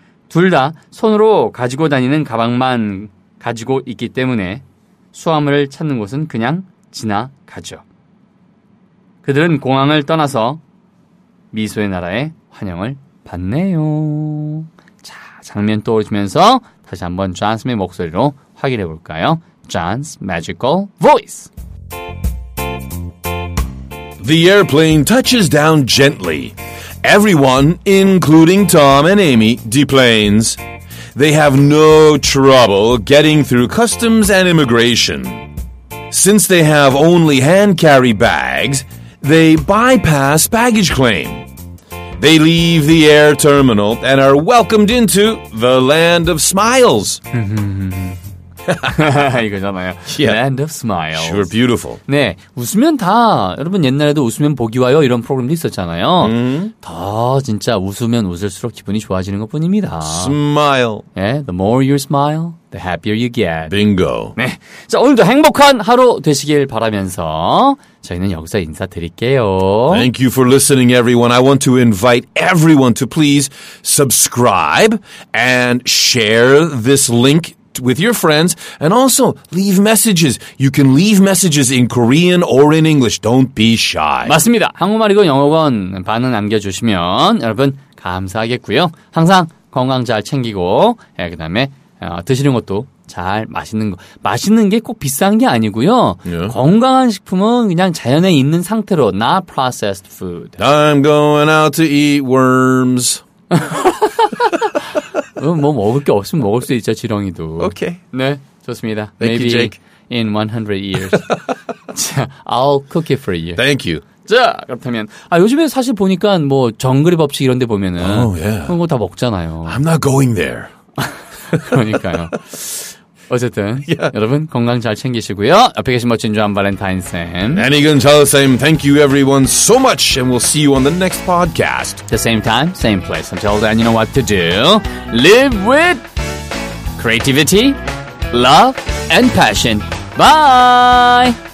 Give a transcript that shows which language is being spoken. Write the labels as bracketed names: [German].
[Korean] 둘 다 손으로 가지고 다니는 가방만 가지고 있기 때문에 수화물을 찾는 곳은 그냥 지나가죠. 그들은 공항을 떠나서 미소의 나라에 환영을 받네요. 자, 장면 떠오르시면서 다시 한번 존슨의 목소리로 확인해 볼까요? [English] John's magical voice. The airplane touches down gently. Everyone, including Tom and Amy, deplanes. They have no trouble getting through customs and immigration. Since they have only hand-carry bags, they bypass baggage claim. They leave the air terminal and are welcomed into the land of smiles. [Korean] 이거잖아요. [English] Yeah. Land of smiles. Sure, beautiful. [Korean] 네, 웃으면 다 여러분 옛날에도 웃으면 복이 와요 이런 프로그램도 있었잖아요. [English] Mm-hmm. [Korean] 더 진짜 웃으면 웃을수록 기분이 좋아지는 것뿐입니다. [English] Smile. [Korean] 네, [English] the more you smile, the happier you get. Bingo. [Korean] 네, 자 오늘도 행복한 하루 되시길 바라면서 저희는 여기서 인사드릴게요. [English] Thank you for listening, everyone. I want to invite everyone to please subscribe and share this link. With your friends and also leave messages. You can leave messages in Korean or in English. Don't be shy. [Korean] 맞습니다. 한국말이건 영어건 반응 남겨주시면 여러분 감사하겠고요. 항상 건강 잘 챙기고 예, 그다음에 드시는 것도 잘 맛있는 거 맛있는 게 꼭 비싼 게 아니고요. [English] Yeah. [Korean] 건강한 식품은 그냥 자연에 있는 상태로 [English] not processed food. I'm going out to eat worms. [Korean] 뭐 먹을 게 없으면 먹을 수 있죠 지렁이도. [English] 오케이. Okay. [Korean] 네, 좋습니다. [English] Thank Maybe you, Jake. In 100 years, I'll cook it for you. Thank you. [Korean] 자, 그렇다면 아 요즘에 사실 보니까 뭐 정글의 법칙 이런 데 보면은 [English] oh, yeah. [Korean] 그런 거 다 먹잖아요. [English] I'm not going there. [Korean] 그러니까요. 어쨌든 [English] yeah. [Korean] 여러분 건강 잘 챙기시고요. 옆에 계신 멋진 존 발렌타인 쌤. [English] And again, Charles Sam. Thank you everyone so much and we'll see you on the next podcast. The same time, same place. Until then, you know what to do. Live with creativity, love, and passion. Bye!